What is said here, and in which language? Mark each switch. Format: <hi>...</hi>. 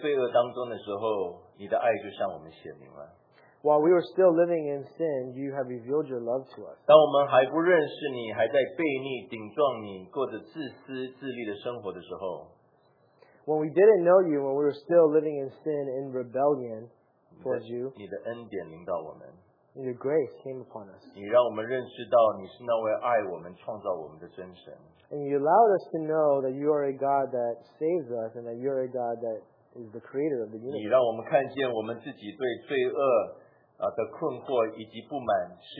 <zh>主在我们还生活在罪恶当中的时候,你的爱就向我们显明了。</zh> <en>While we were still living in sin, you have revealed your love to us.</en> <zh>当我们还不认识你,还在悖逆,顶撞你,过着自私自利的生活的时候,</zh> <en>When we didn't know you, when we were still living in sin, in rebellion towards you,</en> <zh>你的恩典临到我们,</zh> <en>Your grace came upon us.</en> <zh>你让我们认识到你是那位爱我们创造我们的真神,</zh> <en>And you allowed us to know that you are a God that saves us, and that you are a God that is the creator of the universe.</en> <zh>你让我们看见我们自己对罪恶, 的困惑以及不满,</zh>